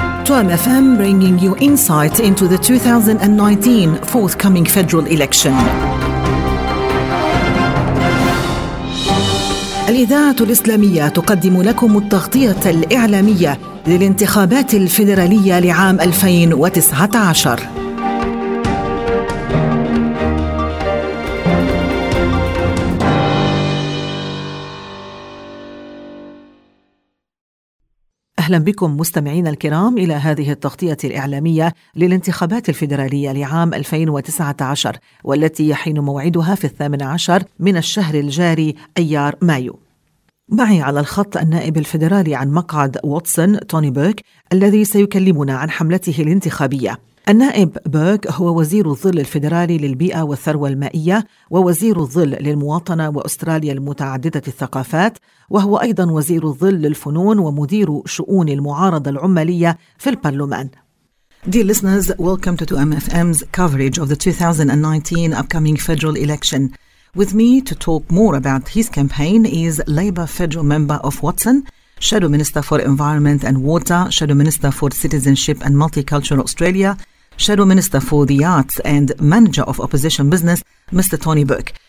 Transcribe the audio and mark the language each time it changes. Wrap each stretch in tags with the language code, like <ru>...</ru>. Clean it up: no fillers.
<en>Prime FM bringing you insight into the 2019 forthcoming federal election.</en> <ar>الإذاعة الإسلامية تقدم لكم التغطية الإعلامية للانتخابات الفيدرالية لعام 2019. أهلا بكم مستمعين الكرام إلى هذه التغطية الإعلامية للانتخابات الفيدرالية لعام 2019 والتي يحين موعدها في 18 من الشهر الجاري أيار مايو. معي على الخط النائب الفيدرالي عن مقعد واتسون توني بيرك الذي سيكلمنا عن حملته الانتخابية. النائب بيرك هو وزير الظل الفيدرالي للبيئة والثروة المائية ووزير الظل للمواطنة وأستراليا المتعددة الثقافات، وهو أيضا وزير الظل للفنون ومدير شؤون المعارضة العمالية في البرلمان.</ar> <en>Dear listeners, welcome to 2MFM's coverage of the 2019 upcoming federal election. With me to talk more about his campaign is Labour Federal Member of Watson, Shadow Minister for Environment and Water, Shadow Minister for Citizenship and Multicultural Australia, Shadow Minister for the Arts and Manager of Opposition Business, Mr. Tony Burke.</en>